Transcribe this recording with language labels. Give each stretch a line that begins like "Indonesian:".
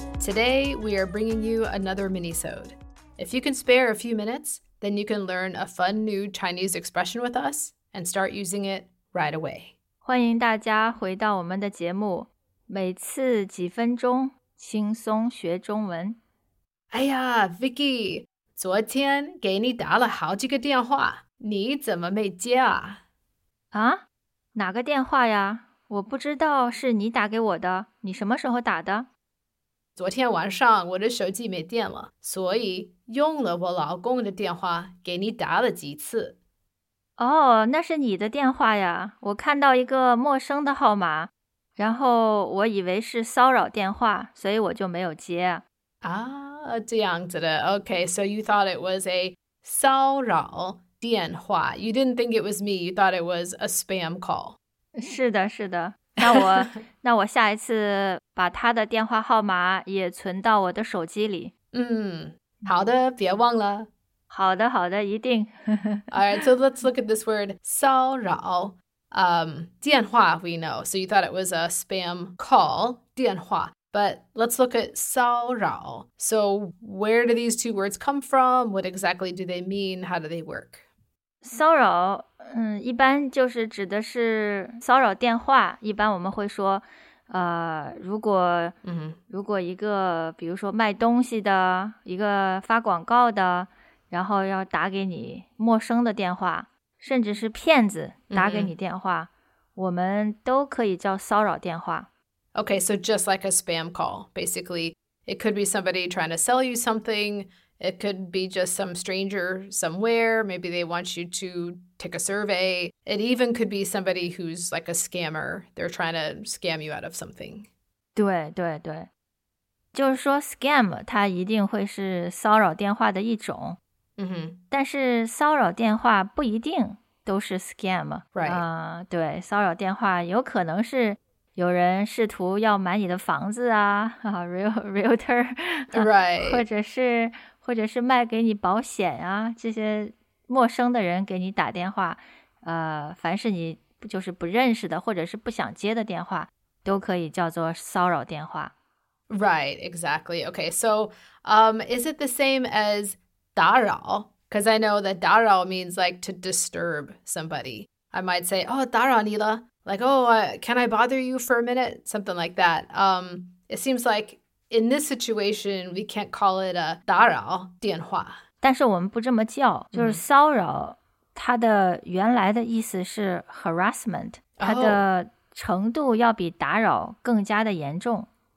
English: Today, we are bringing you another mini-sode. If you can spare a few minutes, then you can learn a fun new Chinese expression with us and start using it right away.
Chinese: 欢迎大家回到我们的节目。每次几分钟，轻松学中文。哎呀 ,Vicky, 昨天给你打了好几个电话，你怎么没接啊？啊？哪个电话呀？我不知道是你打给我的，你什么时候打的？昨天晚上我的手机没电了，所以用了我老公的电话给你打了几次。哦，那是你的电话呀，我看到一个陌生的号码，然后我以为是骚扰电话，所以我就没有接。啊，这样子的。
English: OK, so you thought it was a 骚扰电话。 You didn't think it was me, you thought it was a spam call.
Chinese: 是的，是的。那我下一次把他的电话号码也存到我的手机里。嗯，好的，别忘了。好的，好的，一定。
English: Alright, so let's look at this word, 骚扰。电话 we know, so you thought it was a spam call, 电话。 But let's look at 骚扰。 So where do these two words come from? What exactly do they mean? How do they work?
Chinese: 骚扰，一般就是指的是骚扰电话。一般我们会说，如果一个，比如说卖东西的，一个发广告的，然后要打给你陌生的电话，甚至是骗子打给你电话，我们都可以叫骚扰电话。
English: Okay, so just like a spam call, basically, it could be somebody trying to sell you something. It could be just some stranger somewhere. Maybe they want you to take a survey. It even could be somebody who's like a scammer. They're trying to scam you out of something.
Chinese: 对对对，就是说 scam 它一定会是骚扰电话的一种。
English: Mm-hmm.
Chinese: 但是骚扰电话不一定都是 scam.
English: Right.
Chinese: 对，骚扰电话有可能是有人试图要买你的房子啊，啊 ，realtor，
English: right，
Chinese: 或者是卖给你保险啊，这些陌生的人给你打电话，凡是你就是不认识的或者是不想接的电话，都可以叫做骚扰电话。
English: Right, exactly. Okay, so, is it the same as 打扰？ Because I know that 打扰 means like to disturb somebody. I might say, oh,
Chinese: 打扰你了。
English: Like, oh, can I bother you for a minute? Something like that. It seems like in this situation, we can't call it a 打扰电话。
Chinese: 但是我们不这么叫，就是骚扰，它的原来的意思是 harassment， 它的程度要比打扰更加的严重。